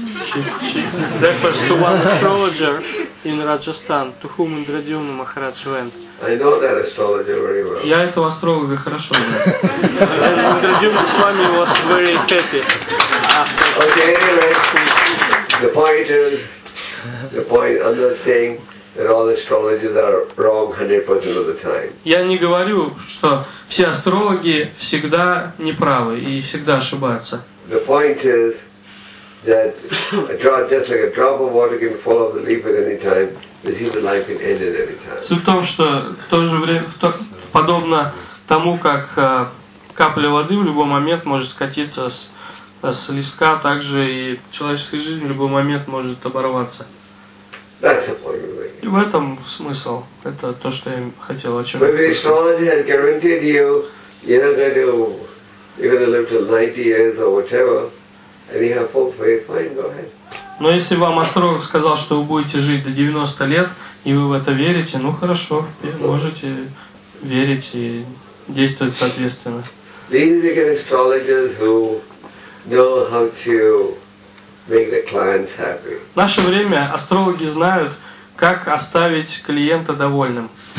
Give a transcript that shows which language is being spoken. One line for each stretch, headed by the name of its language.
Russian: с вами есть, вот него остался доволен.
English: Refers to one astrologer in Rajasthan, to whom Индрадиумна Махарадж went. I know that astrologer very well.
Russian: Я этого астролога хорошо знаю.
English: Индрадиумна
Russian: с вами
English: was very happy. Okay, right. The point I'm not saying that all astrologers are wrong 100% of the time.
Russian: Я не говорю, что все астрологи всегда неправы и всегда ошибаются.
English: The point is that a drop, just like a drop of water, can fall off the leaf at any time. The human life can end at any time.
Russian: Суть в том, что в то же время, подобно тому, как капля воды в любой момент может скатиться с листка, также и человеческая жизнь в любой момент может оборваться. И в этом смысл. Это то, что я хотел о чем-то сказать.
English: But the astrology has guaranteed you, you're going to live till 90 years or whatever, and you have full faith, fine, go ahead.
Russian: Но если вам астролог сказал, что вы будете жить до 90 лет, и вы в это верите, ну хорошо, можете верить и действовать соответственно.
English: Vedic astrologers who know how to make the clients happy.
Russian: В наше время астрологи знают, как оставить клиента довольным.